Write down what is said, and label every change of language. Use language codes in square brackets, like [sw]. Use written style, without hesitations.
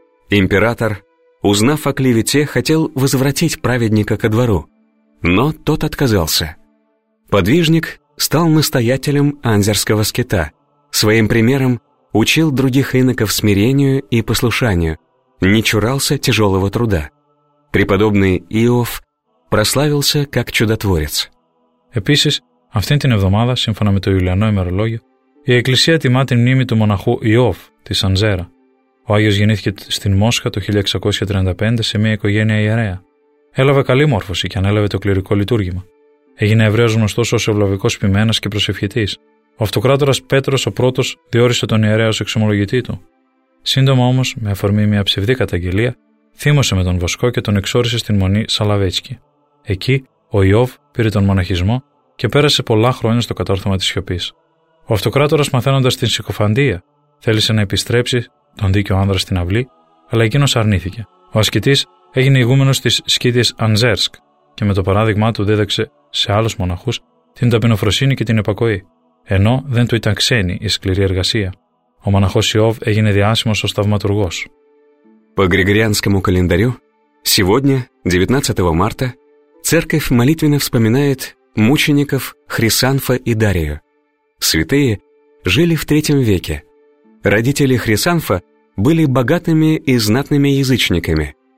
[ru] Император, узнав о клевете, хотел возвратить праведника ко двору, но тот отказался. Подвижник стал настоятелем Анзерского скита, своим примером учил других иноков смирению и послушанию, не чурался тяжелого труда. Преподобный Иов прославился как чудотворец. [el] Επίσης, αυτήν την εβδομάδα, σύμφωνα με το Ιουλιανό ημερολόγιο, η Εκκλησία τιμά την μνήμη του μοναχού Ιώβ της Ανζέρα. Ο Άγιος γεννήθηκε στην Μόσχα το 1635 σε μια οικογένεια ιερέα. Έλαβε καλή μόρφωση και ανέλαβε το κληρικό λειτουργήμα. Έγινε ευρέως γνωστός ως ευλαβικός ποιμένας και προσευχητής. Ο αυτοκράτορας Πέτρος ο Πρώτος διόρισε τον ιερέα ως εξομολογητή του. Σύντομα όμως, με αφορμή μια ψευδή καταγγελία, θύμωσε με τον Βοσκό και τον εξόρισε στην μονή Σαλαβέτσκι. Εκεί ο Ιώβ πήρε τον μοναχισμό και πέρασε πολλά χρόνια στο κατόρθωμα της σιωπής. Ο αυτοκράτορας, μαθαίνοντας την συκοφαντία, θέλησε να επιστρέψει τον δίκαιο άνδρα στην αυλή, αλλά εκείνος αρνήθηκε. Ο ασκητής έγινε ηγούμενος της σκήτης Ανζέρσκ και με το παράδειγμά του δίδαξε σε άλλους μοναχούς την ταπεινοφροσύνη και την επακοή, ενώ δεν του ήταν ξένη η σκληρή εργασία. Ο μοναχός Ιώβ έγινε διάσημος ως θαυματουργός. [ru] По Григорианскому календарю, сегодня, 19 марта, церковь молитвенно вспоминает мучеников Хрисанфа и Дарию. Святые жили в 3 веке. Родители Хрисанфа были богатыми и знатными язычниками.